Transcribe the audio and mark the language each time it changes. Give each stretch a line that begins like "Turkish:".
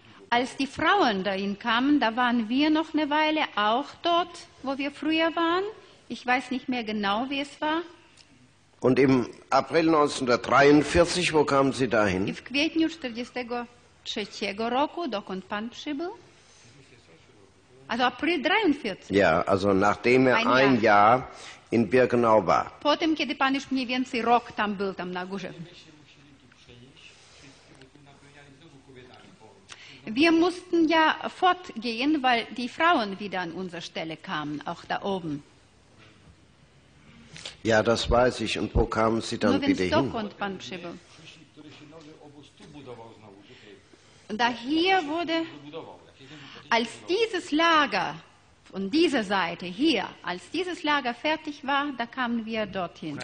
German: Als die Frauen dahin kamen, da waren wir noch eine Weile auch dort, wo wir früher waren. Ich weiß nicht mehr genau, wie es war. Und im April 1943, wo kamen Sie dahin?
Polish: W kwietniu 43 roku, dokąd pan przybył?
German: Also April 43. Ja, also nachdem er ein Jahr in Birkenau war.
Polish: Potem, kiedy pan już mniej więcej rok tam był, tam na górze.
German: Wir mussten ja fortgehen, weil die Frauen wieder an unsere Stelle kamen, auch da oben. Ja, das weiß ich. Und wo kamen sie dann wieder hin? Konnte man da hier wurde, als dieses Lager von dieser Seite hier, als dieses Lager fertig war, da kamen wir dorthin.